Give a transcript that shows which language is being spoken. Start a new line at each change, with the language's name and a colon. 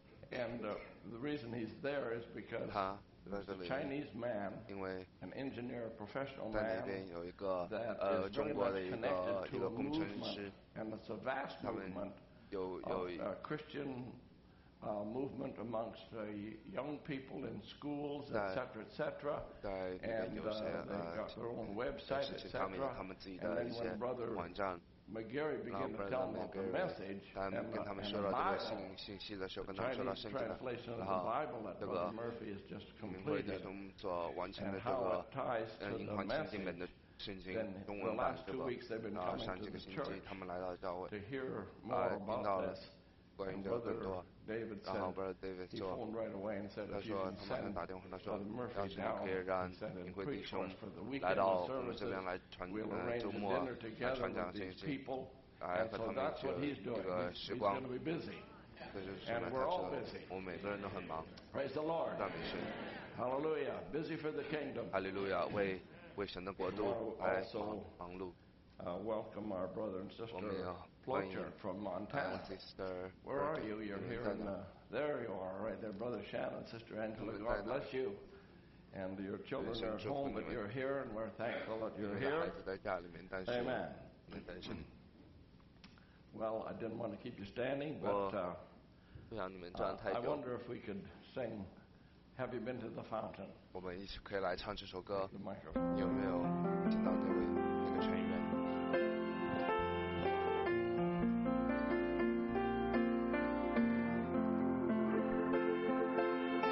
English: The reason he's there is because there's a Chinese man, an engineer, a professional man, that is very much connected to a movement, and it's a vast movement, a Christian movement amongst young people in schools, etc., etc., and they've got their own website, etc., and then when Brother McGarry began to tell them the message and the Bible, the Chinese translation of the Bible that Brother Murphy has just completed, and how it ties to the message.
Chinese: 圣经中文版这个啊，上这个星期他们来到教会，啊，听到了关于这个更多。然后 Brother David 说，他说他马上打电话，他说要是你可以让林奎弟兄来到我们这边来传周末来传讲信息，来和他们一起这个时光。
English: And we're all busy. Praise the Lord. Hallelujah. Busy for the kingdom. Hallelujah. We also welcome our brother and sister Plotcher from Montana. Where are you? You're here. In the, there you are, right there, Brother Shannon, Sister Angela. God bless you. And your children are at home, but you're here, and we're thankful that you're here. Amen. Amen. Well, I didn't want to keep you standing, but I wonder if we could sing Have You Been to the Fountain?
Chinese: 我们一起可以来唱这首歌。
English: The microphone.
Chinese: 有没有听到那位那个成员？